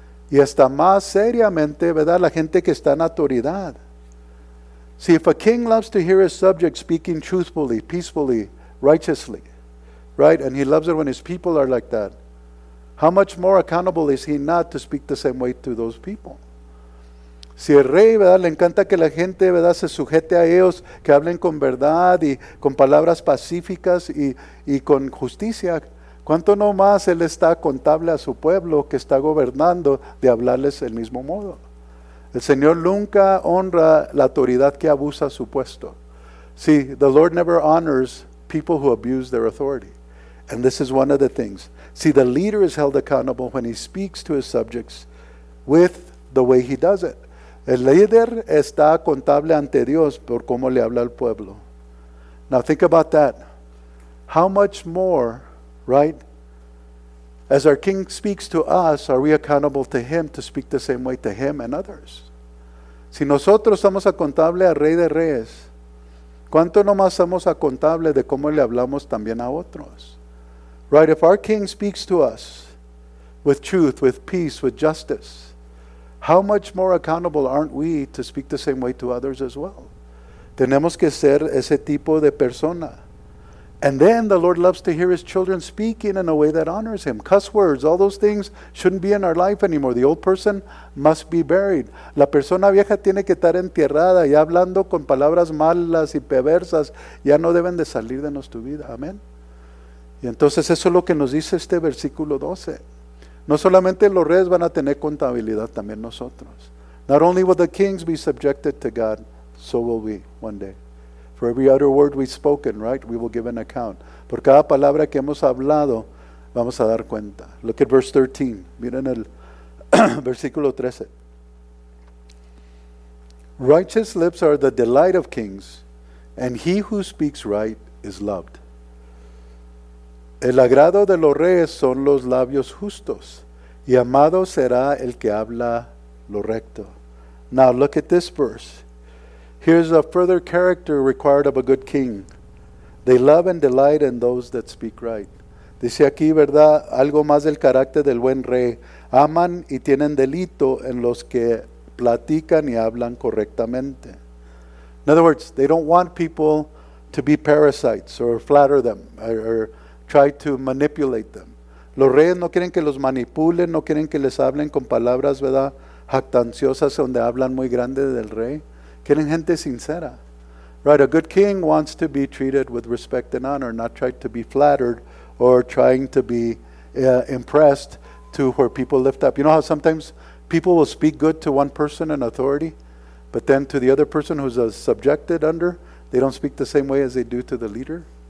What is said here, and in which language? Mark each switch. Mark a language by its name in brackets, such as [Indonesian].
[Spanish] Y hasta más seriamente, ¿verdad? La gente que está en autoridad. [English] See, if a king loves to hear his subjects speaking truthfully, peacefully, righteously, right? And he loves it when his people are like that. How much more accountable is he not to speak the same way to those people? [Spanish] Si el rey, ¿verdad?, le encanta que la gente, ¿verdad?, se sujete a ellos, que hablen con verdad y con palabras pacíficas y con justicia, ¿cuánto no más él está contable a su pueblo que está gobernando de hablarles del mismo modo? El Señor nunca honra la autoridad que abusa su puesto. [English] Sí, the Lord never honors people who abuse their authority. And this is one of the things. See, the leader is held accountable when he speaks to his subjects with the way he does it. [Spanish] El líder está contable ante Dios por cómo le habla al pueblo. [English] Now think about that. How much more, right? As our king speaks to us, are we accountable to him to speak the same way to him and others? [Spanish] Si nosotros somos accountable al Rey de Reyes, ¿cuánto no más somos accountable de cómo le hablamos también a otros? [English] Right, if our king speaks to us with truth, with peace, with justice, how much more accountable aren't we to speak the same way to others as well? [Spanish] Tenemos que ser ese tipo de persona. [English] And then the Lord loves to hear his children speaking in a way that honors him. Cuss words, all those things shouldn't be in our life anymore. The old person must be buried. [Spanish] La persona vieja tiene que estar enterrada, ya hablando con palabras malas y perversas, ya no deben de salir de nuestra vida. Amén. Y entonces eso es lo que nos dice este versículo 12. No solamente los reyes van a tener contabilidad, también nosotros. [English] Not only will the kings be subjected to God, so will we one day. For every other word we've spoken, right, we will give an account. [Spanish] Por cada palabra que hemos hablado, vamos a dar cuenta. [English] Look at verse 13. [Spanish] Miren el versículo 13. [English] Righteous lips are the delight of kings, and he who speaks right is loved. [Spanish] El agrado de los reyes son los labios justos, y amado será el que habla lo recto. [English] Now look at this verse. Here's a further character required of a good king. They love and delight in those that speak right. [Spanish] Dice aquí, ¿verdad?, algo más del carácter del buen rey. Aman y tienen delito en los que platican y hablan correctamente. [English] In other words, they don't want people to be parasites or flatter them or try to manipulate them. [Spanish] Los reyes no quieren que los manipulen, no quieren que les hablen con palabras, ¿verdad?, jactanciosas donde hablan muy grande del rey. Quieren gente sincera. [English] Right, a good king wants to be treated with respect and honor, not try to be flattered or trying to be impressed to where people lift up. You know how sometimes people will speak good to one person in authority, but then to the other person who's subjected under, they don't speak the same way as they do to the leader?